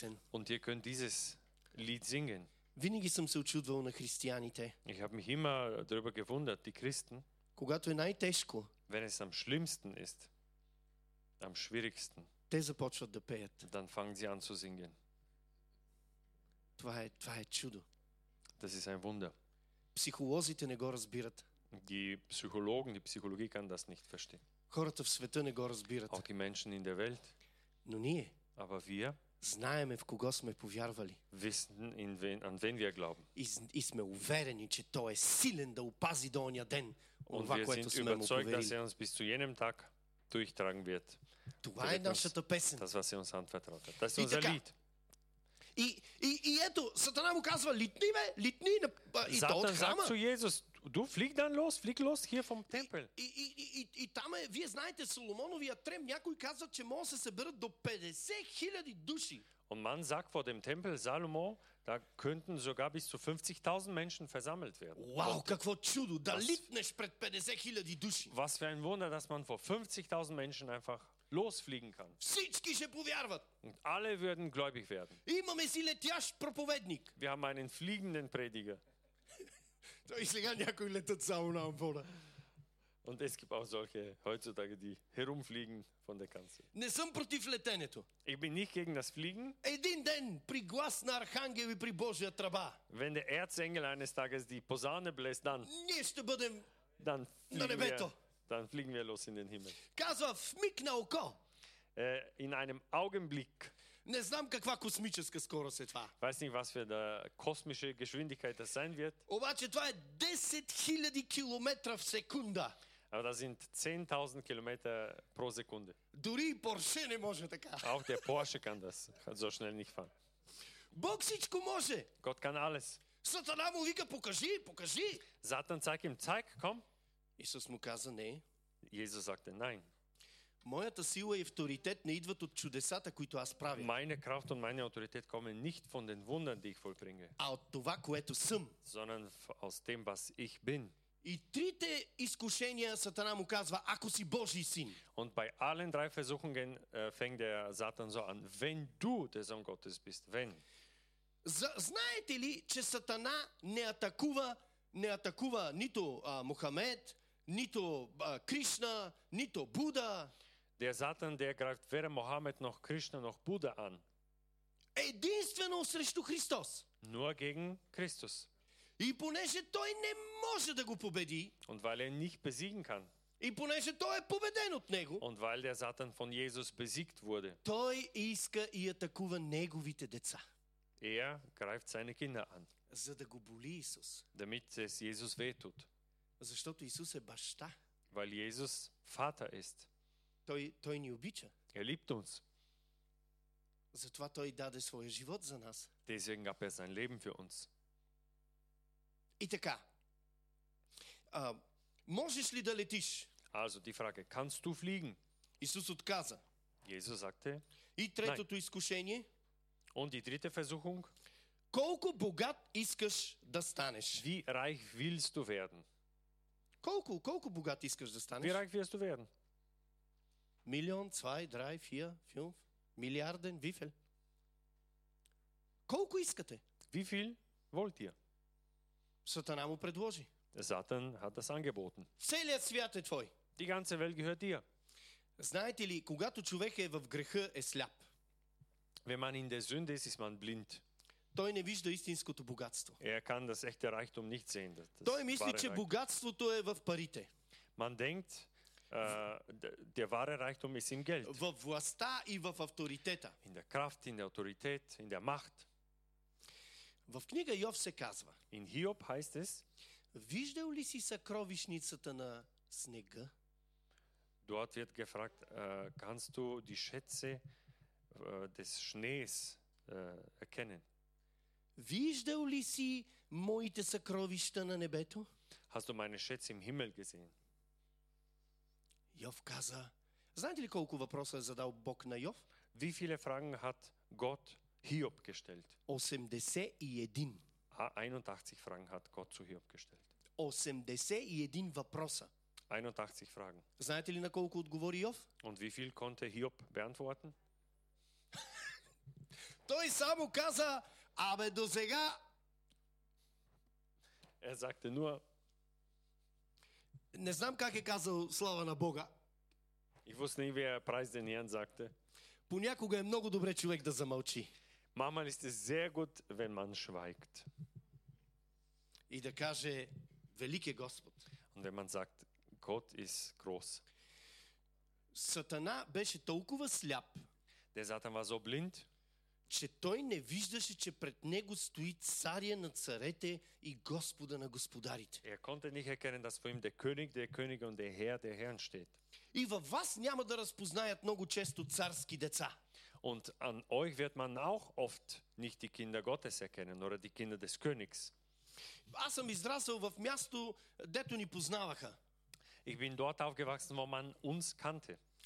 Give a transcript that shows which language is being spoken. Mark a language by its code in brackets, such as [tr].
[de] Und ihr könnt dieses Lied singen. [bg] Винаги съм се учудвал на християните. [de] Ich habe mich immer darüber gewundert, die Christen. [bg] Когато е най-тежко. [de] Wenn es am schlimmsten ist. Am schwierigsten. [bg] Те започват да пеят. [de] Dann fangen sie an zu singen. [bg] Това е чудо. [de] Das ist ein Wunder. [bg] Психолозите не го разбират. [de] Die Psychologen, die Psychologie kann das nicht verstehen. [bg] Хората в света не го разбират. [de] Auch die Menschen in der Welt. [bg] Но ние. [de] Aber wir. [bg] Знаеме в кого сме повярвали. [de] Wissen in wen, an wen wir glauben. [bg] И сме уверени, че Той е силен да опази до оня ден онова, което сме му поверили. [de] Dass er uns bis zu jenem Tag durchtragen wird. [bg] Това е нашата песен. [de] Das, was er uns anvertraut hat. Das ist unser Lied. [bg] И ето, Сатана му казва, литни ме, литни, и [de] Satan [bg] то от храма. [de] Sagt zu Jesus, du flieg dann los, flieg los hier vom Tempel. [bg] И там е, вие знаете, Соломоновия трем, някой казва, че може се съберат до 50 000 души. [de] Und man sagt vor dem Tempel Salomo, da könnten sogar bis zu 50.000 Menschen versammelt werden. [bg] Wow, какво чудо, да литнеш пред 50 000 души. [de] Was für ein Wunder, dass man vor 50.000 Menschen einfach losfliegen kann. [bg] Всички ще повярват. [de] Und alle würden gläubig werden. [bg] Имаме си летящ проповедник. [de] Wir haben einen fliegenden Prediger. [bg] Той сега някой летят само на амфора. [de] Und es gibt auch solche heutzutage, die herumfliegen von der Kanzel. [bg] Не съм против летенето. [de] Ich bin nicht gegen das Fliegen. [bg] Един ден при глас на Архангел и при Божия тръба. [de] Wenn der Erzengel eines Tages die Posaune bläst, dann. [bg] Ние ще бъдем на небето. [de] Dann fliegen wir los in den Himmel. [bg] Казва в миг на око. [de] In einem Augenblick. [bg] Не знам каква космическа скорост е това. [de] Weiß nicht, was für eine kosmische Geschwindigkeit das sein wird. [bg] Обаче това е 10 000 км в секунда. [de] Aber das sind 10.000 Kilometer pro Sekunde. [bg] Дори Porsche не може така. [de] Auch der Porsche kann das so schnell nicht fahren. [bg] Бог всичко може. [de] Gott kann alles. [bg] Сатана му вика, покажи, покажи. [de] Satan zeig ihm, zeig, komm. [bg] Исус му каза, не. [de] Jesus sagte, nein. [bg] Моята сила и авторитет не идват от чудесата, които аз правя. [de] Meine Kraft und meine Autorität kommen nicht von den Wundern, die ich vollbringe. [bg] А от това, което съм. [de] Sondern aus dem, was ich bin. [bg] И трите изкушения Сатана му казва, ако си Божий син. [de] Und bei allen drei Versuchungen fängt der Satan so an, wenn du der Sohn Gottes bist, wenn. [bg] Знаете ли, че Сатана не атакува нито Мохамед, нито Кришна, нито Буда. [de] Der Satan, der greift weder Mohammed noch Krishna noch Buddha an. [bg] Единствено срещу Христос. [de] Nur gegen Christus. [bg] И понеже той не може да го победи. [de] Und weil er nicht besiegen kann. [bg] И понеже той е победен от него. [de] Und weil der Satan von Jesus besiegt wurde. [bg] Той иска и атакува неговите деца. [de] Er greift seine Kinder an. [bg] За да го боли Исус. [de] Damit es Jesus wehtut. [bg] Защото Исус е баща. [de] Weil Jesus Vater ist. [bg] Той ни обича. [de] Er liebt uns. [bg] Затова той даде своя живот за нас. [de] Deswegen gab er sein Leben für uns. [bg] И така. Можеш ли да летиш? [de] Also die Frage, kannst du fliegen? [bg] Исус отказа. [de] Jesus sagte, [bg] и третото [de] nein. [bg] Изкушение. [de] Und die dritte Versuchung. [bg] Колко богат искаш да станеш? [de] Wie reich willst du werden? [bg] Колко богат искаш да станеш? [de] Wie reich willst du werden? [bg] Милион, 2, 3, 4, 5 милиарден, [de] wieviel? [bg] Колко искате? [de] Wie viel wollt ihr? [bg] Сатана му предложи. [de] Satan hat das angeboten. [bg] Целият свят е твой. [de] Die ganze Welt gehört dir. [bg] Знаете ли, когато човек е в греха, е сляп. [de] Wenn man in der Sünde ist, ist man blind. [bg] Той не вижда истинското богатство. [de] Er kann das echte Reichtum nicht sehen. [bg] Той мисли, че богатството е в парите. [de] Man denkt, der wahre Reichtum ist im Geld. [bg] В властта и в авторитета. [de] In der Kraft, in der Autorität, in der Macht. [bg] В книга Йов се казва. [de] In Hiob heißt es. [bg] Виждал ли си съкровищницата на снега? [de] Dort wird gefragt, kannst du die Schätze des Schnees erkennen? [bg] Виждал ли си моите съкровища на небето? [de] Hast du meine Schätze im Himmel gesehen? [bg] Йов каза, знаете ли колко въпроса е задал Бог на Йов? [de] Wie viele Fragen hat Gott Hiob gestellt? [bg] 81. [de] 81 Fragen hat Gott zu Hiob gestellt. [bg] 81 въпроса. [de] 81 Fragen. [bg] Знаете ли на колко отговори Йов? [de] Und wie viel konnte Hiob beantworten? [bg] Той само каза, абе до сега. [de] Er sagte nur. [bg] Не знам как е казал слава на Бога. [de] Ich wusste nicht, wie er preis den Herrn sagte. [bg] Понякога е много добре човек да замълчи. [de] Manchmal ist es sehr gut, wenn man schweigt. [bg] И да каже, велик е Господ. [de] Und wenn man sagt, Gott ist groß. [bg] Сатана беше толкова сляп. [de] Der Satan war so blind. [bg] Че той не виждаше, че пред него стои царя на царете и Господа на господарите. [de] Er konnte nicht erkennen, dass vor ihm der König der Könige und der Herr der Herren steht. [bg] И във вас няма да разпознаят много често царски деца. [de] Und an euch wird man auch oft nicht die Kinder Gottes erkennen oder die Kinder des Königs. [bg] Аз съм израсъл в място, дето ни познаваха. [de] Ich bin dort aufgewachsen, wo man uns kannte.